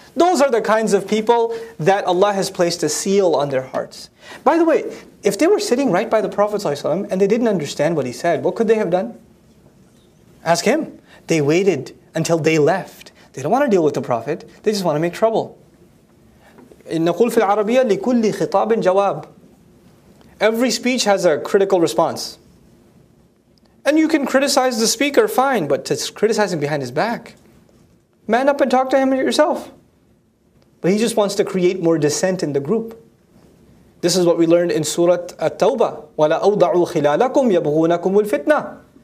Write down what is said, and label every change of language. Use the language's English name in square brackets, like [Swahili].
[English] Those are the kinds of people that Allah has placed a seal on their hearts. By the way, if they were sitting right by the Prophet ﷺ and they didn't understand what he said, what could they have done? Ask him. They waited until they left. They don't want to deal with the Prophet. They just want to make trouble. [Arabic] نقول في العربية لكل خطاب جواب. [English] Every speech has a critical response. And you can criticize the speaker, fine, but to criticize him behind his back, man up and talk to him yourself. But he just wants to create more dissent in the group. This is what we learned in Surah At-Tawbah. [Arabic] وَلَا أَوْضَعُوا خِلَالَكُمْ يَبْغُونَكُمُ الْفِتْنَةِ.